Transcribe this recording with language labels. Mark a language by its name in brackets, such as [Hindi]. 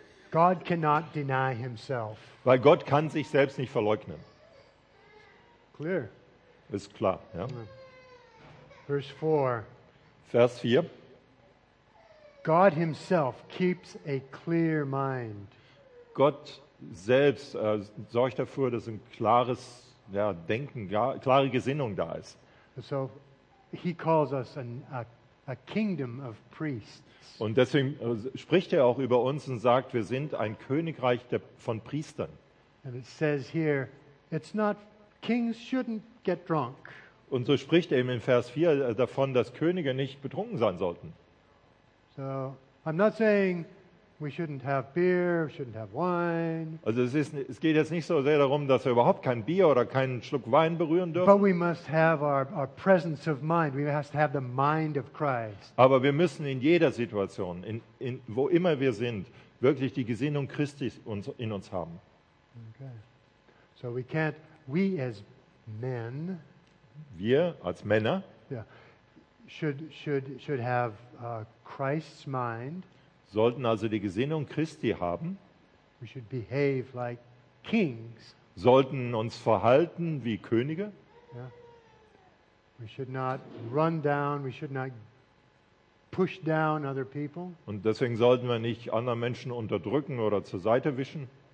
[English] God cannot deny himself. [German] Weil Gott kann sich selbst nicht verleugnen. [English] Clear. [German] Ist klar. Ja. [English] Verse 4. [German] Vers 4. [English] God himself keeps a clear mind. [German] Gott selbst sorgt dafür, dass ein klares Denken, klare Gesinnung da ist. [English] So he calls us a kingdom of priests. [German] Und deswegen spricht er auch über uns und sagt, wir sind ein Königreich von Priestern. [English] And it says here, it's not, kings shouldn't get drunk. [German] Und so spricht er eben in Vers 4 davon, dass Könige nicht betrunken sein sollten. [English] So I'm not saying we shouldn't have beer, we shouldn't have wine. [German] Also es geht jetzt nicht so sehr darum, dass wir überhaupt kein Bier oder keinen Schluck Wein berühren dürfen. [English] But we must have our presence of mind. We must have the mind of Christ. [German] Aber wir müssen in jeder Situation, in wo immer wir sind, wirklich die Gesinnung Christi in uns haben. [English] Okay. So we can't, we as men, [German] wir als Männer, [English] yeah, should have Christ's mind. [German] Sollten also die Gesinnung Christi haben. [English] We should behave like kings. [German] Sollten uns verhalten wie Könige. [English] Yeah. We should not run down, we should not push down other people. [German] Und deswegen sollten wir nicht andere Menschen unterdrücken oder zur Seite wischen.